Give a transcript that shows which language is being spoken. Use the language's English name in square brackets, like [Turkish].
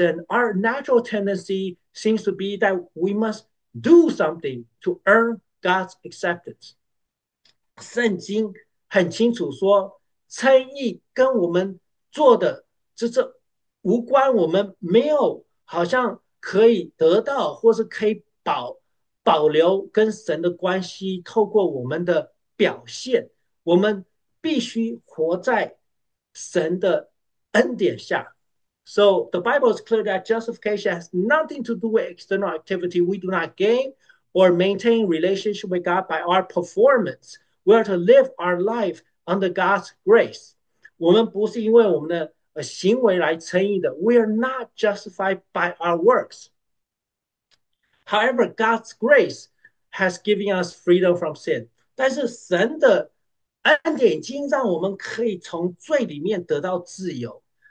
[English] And our natural tendency seems to be that we must do something to earn God's acceptance. [Chinese] 圣经很清楚说，称义跟我们做的这无关，我们没有。好像可以得到，或是可以保留跟神的关系，透过我们的表现，我们必须活在神的恩典下。 [English] So the Bible is clear that justification has nothing to do with external activity. We do not gain or maintain relationship with God by our performance. We are to live our life under God's grace. [Chinese] 我们不是因为我们的行为来称义的。 [English] We are not justified by our works. However, God's grace has given us freedom from sin. [Chinese] 但是神的恩典已经让我们可以从罪里面得到自由。